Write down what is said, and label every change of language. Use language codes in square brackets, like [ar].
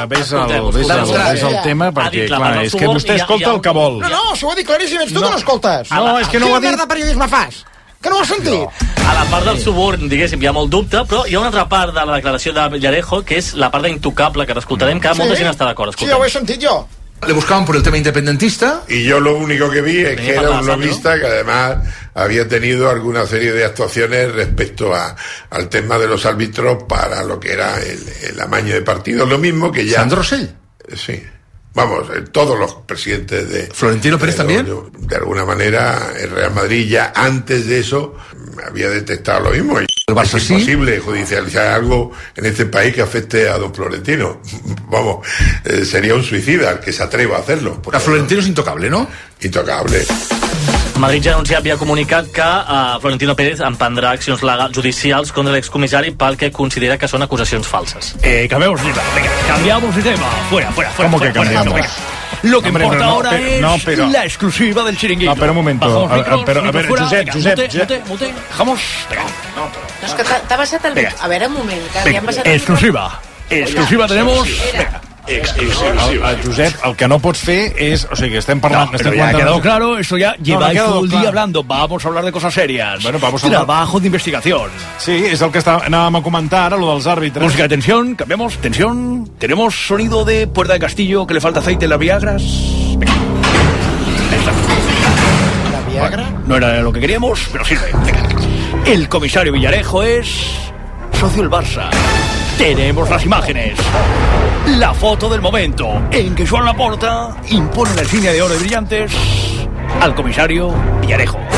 [ca] Ves el tema, perquè clar, és que vostè escolta el que vol. No, si ho ha dit claríssim, ets tu que no escoltes. No, és que no ho ha dit. Quina merda periodisme fas? Que no ho has sentit? A la part del suborn, diguéssim, hi ha molt dubte, però hi ha una altra part de la declaració de Villarejo, que és la part d'intocable, que escoltarem, que molta gent està d'acord. Sí, ho he sentit jo. [es] Le buscaban por el tema independentista. Y yo lo único que vi es que era un lobista que además había tenido alguna serie de actuaciones respecto al tema de los árbitros para lo que era el amaño de partido. Lo mismo que ya... ¿Sandro Rosell? Sí. Vamos, todos los presidentes de... ¿Florentino Pérez también? De alguna manera, el Real Madrid ya antes de eso había detectado lo mismo. ¿El Barça es imposible judicializar algo en este país que afecte a don Florentino? Vamos, sería un suicida el que se atreva a hacerlo. A Florentino es intocable, ¿no? Intocable. [ca] Madrid ja ha anunciat, havia comunicat que Florentino Pérez emprendrà accions legals judicials contra l'excomissari pel que considera que són acusacions falses. Que veus, vinga, [es] canviamos el tema. Fuera. ¿Cómo que cambiamos? Lo que importa ahora es la exclusiva del chiringuito. No, pero un momento. A ver, Josep. Mute. Dejamos. Es que te ha pasat el... A ver, un momento. Exclusiva. Exclusiva tenemos... Exclusivo. [ca] Josep, el que no pots fer és... O sigui, estem parlant... [es] No, però ja ha quedado claro, esto ya lleva todo el día hablando. Vamos a hablar de cosas serias. Bueno, vamos a... Trabajo de investigación. [ca] Sí, és el que anàvem a comentar ara, lo dels àrbitres. [es] Música, atención, cambiamos, tensión. Tenemos sonido de Puerta de Castillo, que le falta aceite en las Viagras. ¿La Viagra? No era lo que queríamos, pero sirve. El comisario Villarejo es... socio del Barça. Tenemos las imágenes. La foto del momento en que Joan Laporta impone la insignia de oro y brillantes al comisario Villarejo.